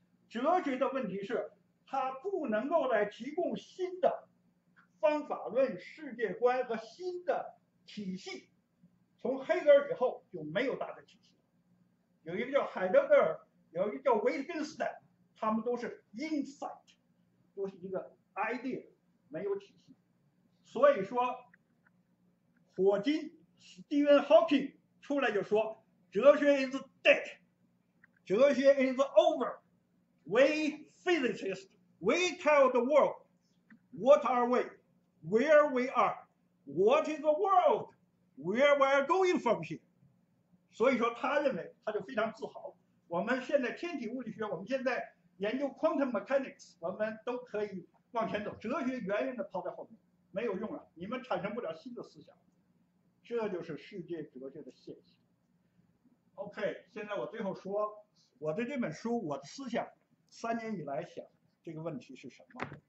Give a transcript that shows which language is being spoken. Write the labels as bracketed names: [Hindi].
[Chinese] 哲学的问题是它不能够来提供新的方法论、世界观和新的体系，从黑格尔以后就没有大的体系。有一个叫海德格尔，有一个叫维特根斯坦，他们都是 insight， 都是一个 idea， 没有体系。 [English] 所以说霍金 Stephen Hawking 出来就说哲学 is dead， 哲学 is over， we physicists we tell the world what are we， where we are， what is the world， where we are going from here。 [Chinese] 所以说他认为，他就非常自豪，我们现在天体物理学，我们现在研究 quantum mechanics， 我们都可以往前走，哲学远远的抛在后面，没有用了，你们产生不了新的思想。这就是世界哲学的现象。OK， 现在我最后说我的这本书，我的思想三年以来想这个问题是什么。